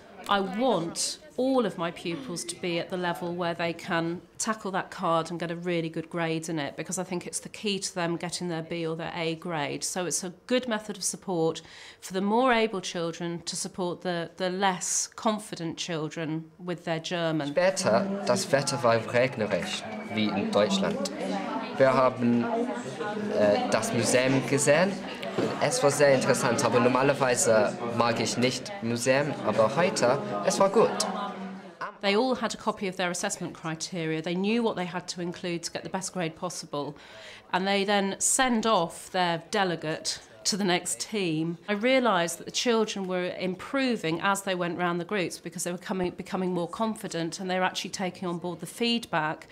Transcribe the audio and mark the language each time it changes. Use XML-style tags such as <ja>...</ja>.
<en>I want all of my pupils to be at the level where they can tackle that card and get a really good grade in it, because I think it's the key to them getting their B or their A grade. So it's a good method of support for the more able children to support the less confident children with their German.</en> <de>Später, das Wetter war regnerisch, wie in Deutschland. Wir haben das Museum gesehen. Es war sehr interessant, aber normalerweise mag ich nicht Museen, aber heute, es war gut.</de> <en>They all had a copy of their assessment criteria. They knew what they had to include to get the best grade possible. And they then send off their delegate to the next team. I realised that the children were improving as they went round the groups because they were becoming more confident and they were actually taking on board the feedback.</en>